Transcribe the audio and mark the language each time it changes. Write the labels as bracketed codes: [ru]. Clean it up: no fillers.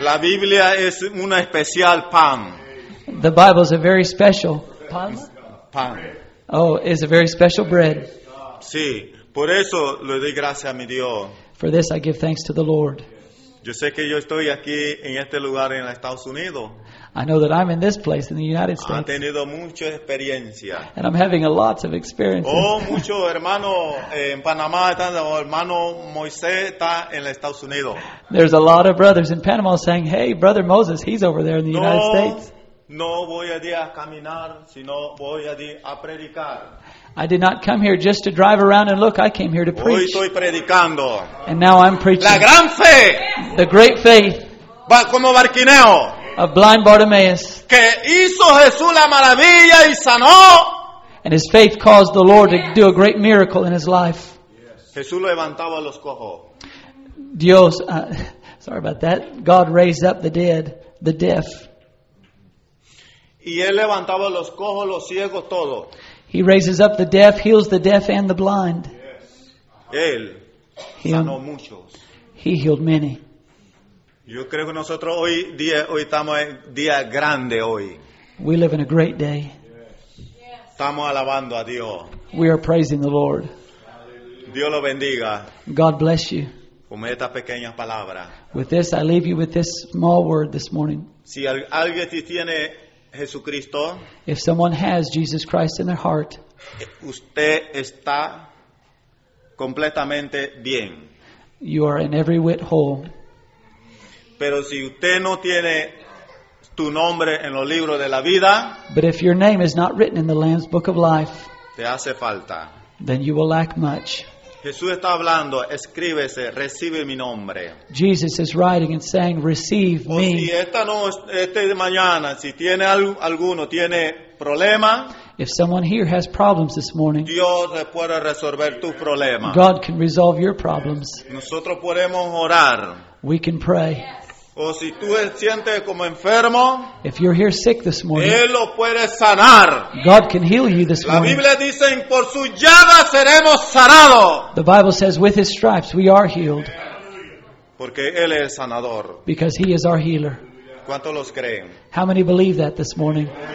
[es] La Biblia es una especial pan. [en] The Bible is a very special pan. [es] Pan. [en] Oh, it's a very special bread. [es] Sí. Por eso le doy gracias a mi Dios. [en] For this I give thanks to the Lord. [es] Yo sé que yo estoy aquí en este lugar en Estados Unidos. [en] I know that I'm in this place in the United States. [es] Ha tenido mucha experiencia. [en] And I'm having lots of experiences. [es] Oh, mucho hermano en Panamá, hermano Moisés está en Estados Unidos. [en] There's a lot of brothers in Panama saying, "Hey, brother Moses, he's over there in the United States." [es] No voy a caminar, sino voy a predicar. [en] I did not come here just to drive around and look. I came here to preach. [es] Hoy estoy predicando. [en] And now I'm preaching. [es] La gran fe. [en] The great faith. [es] Va como Bartimeo. [en] Of blind Bartimaeus. [es] Que hizo Jesús la maravilla y sanó. [en] And his faith caused the Lord to do a great miracle in his life. [es] Jesús levantaba los cojos. [en] Dios, sorry about that. God raised up the dead, the deaf. [es] Y él levantaba los cojos, los ciegos, todo. [en] He raises up the deaf, heals the deaf and the blind. [es] Él sanó muchos. [en] He healed many. [es] Yo creo que nosotros hoy estamos en día grande hoy. [en] We live in a great day. [es] Yes. Estamos alabando a Dios. [en] We are praising the Lord. [es] Dios lo bendiga. [en] God bless you. [es] Con esta pequeña palabra. [en] With this, I leave you with this small word this morning. [es] Si alguien tiene Jesucristo, [en] if someone has Jesus Christ in their heart, [es] usted está completamente bien. [en] You are in every whit whole. [es] Pero si usted no tiene tu nombre en los libros de la vida, [en] but if your name is not written in the Lamb's Book of Life, [es] te hace falta. [en] Then you will lack much. [es] Jesús está hablando, escríbese, recibe mi nombre. [en] Jesus is writing and saying, receive me. [es] O si esta noche, este mañana, si tiene alguno, tiene problema, [en] if someone here has problems this morning, [es] Dios puede resolver tu problema. [en] God can resolve your problems. [es] Nosotros podemos orar. [en] We can pray. [es] O si tú te sientes como enfermo, [en] if you're here sick this morning, [es] Él lo puede sanar. [en] God can heal you this morning. [es] La Biblia dice, por su llaga seremos sanados. [en] The Bible says, with his stripes we are healed. [es] Porque Él es sanador. [en] Because he is our healer. [es] ¿Cuántos los creen? [en] How many believe that this morning?